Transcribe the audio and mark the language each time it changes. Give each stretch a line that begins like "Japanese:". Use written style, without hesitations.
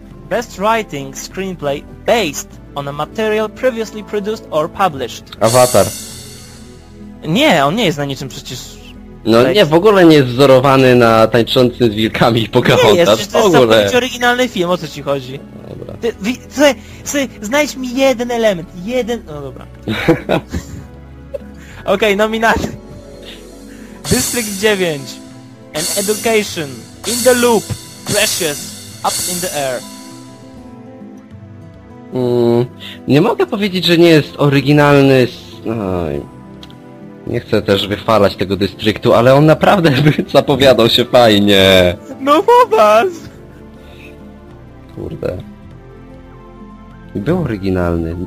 English: Best writing screenplay based on a material previously produced or published. Avatar.
Polish: Nie, on nie jest na niczym przecież. No nie, w ogóle nie jest wzorowany na tańczącym z wilkami Pocahontas. Nie jest, przecież to jest całkowicie oryginalny film, o co ci chodzi. Dobra. Znajdź mi jeden element, jeden... No dobra. Okej, nominacje. District 9.
English: An Education, In the Loop, Precious, Up in the Air.
Polish: Nie mogę powiedzieć, że nie jest oryginalny... Nie chcę też wychwalać tego dystryktu, ale on naprawdę zapowiadał się fajnie. No popatrz! Kurde. Był oryginalny.